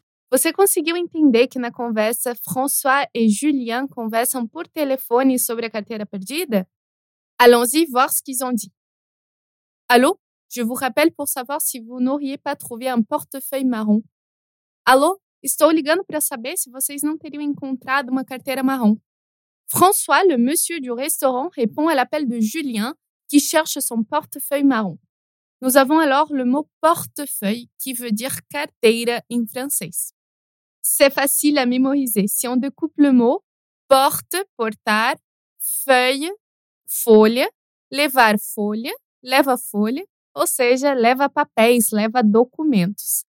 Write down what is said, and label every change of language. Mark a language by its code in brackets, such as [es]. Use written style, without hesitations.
[pt] Você conseguiu entender que na conversa, François et Julien conversam por téléphone sobre a carteira perdida? [fr] Allons-y voir ce qu'ils ont dit. Allô, je vous rappelle pour savoir si vous n'auriez pas trouvé un portefeuille marron. [pt] Allô, estou ligando para saber se vocês não teriam encontrado uma carteira marron. [fr] François, le monsieur du restaurant, répond à l'appel de Julien qui cherche son portefeuille marron. Nous avons alors le mot portefeuille qui veut dire carteira en français. C'est facile à mémoriser. Si on découpe le mot porte, portar, feuille, folha, [pt] levar folha, leva folha, ou seja, leva papéis, leva documentos.